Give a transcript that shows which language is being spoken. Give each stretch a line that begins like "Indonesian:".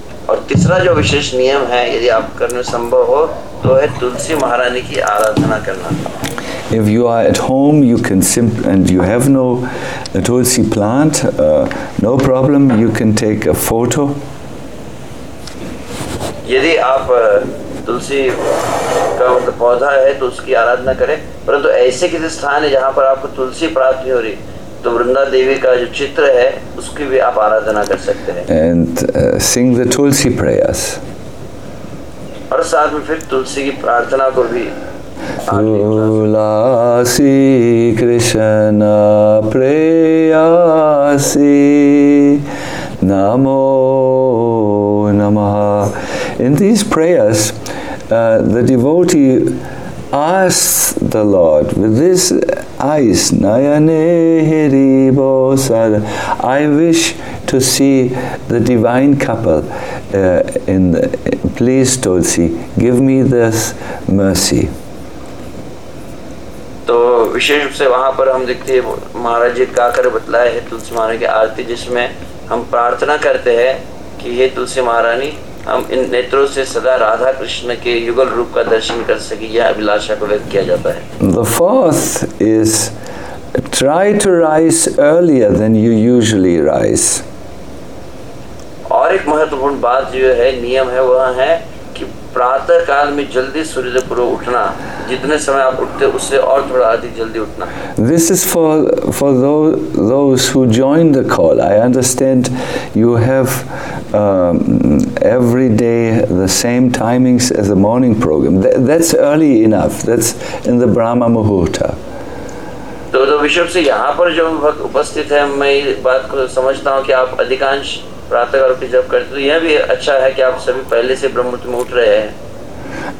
Hindi: और तीसरा जो विशेष नियम है यदि आप करने संभव हो तो है तुलसी महारानी की आराधना करना
English: If you are at home, you can and you have no tulsi plant, no problem. You can take a photo.
Hindi: यदि आप तुलसी का पौधा है तो उसकी आराधना करें परंतु ऐसे किसी स्थान है जहां पर आपको तुलसी प्राप्त नहीं हो रही तो वृंदा देवी का जो चित्र है उसकी भी आप आराधना कर सकते हैं
English: And sing the tulsi prayers.
Hindi: और साथ में फिर तुलसी की प्रार्थना को भी
Sanskrit: Tulasi Krishna Prayasi Namo Namaha
English: In these prayers, the devotee asks the Lord with this eyes,
Bangla: Nayane Hiribo Sada
English: I wish to see the divine couple in the please Tulsi, give me this mercy.
Hindi: तो विशेष रूप से वहाँ पर हम देखते हैं महाराज जी गाकर बतलाए हैं तुलसी महारानी की आरती जिसमें हम प्रार्थना करते हैं कि हे तुलसी महारानी हम इन नेत्रों से सदा राधा कृष्ण के युगल रूप का दर्शन कर सके यह अभिलाषा को व्यक्त किया जाता है
English: The fourth is try to rise earlier than you usually rise
Hindi: और एक महत्वपूर्ण बात जो है नियम है वह है प्रातः काल में जल्दी सूर्य पूर्व उठना जितने समय आप उठते उससे और थोड़ा अधिक जल्दी उठना
English: This is for those who join the call. I understand you have every day the same timings as the morning program. That's early enough. That's in the Brahma Muhurta.
Hindi: तो बिशप से यहाँ पर जो उपस्थित है मैं बात को समझता हूँ कि आप अधिकांश प्रातः काल की जप करते हो, यह भी अच्छा है कि आप सभी पहले से ब्रह्म मुहूर्त में उठ रहे हैं।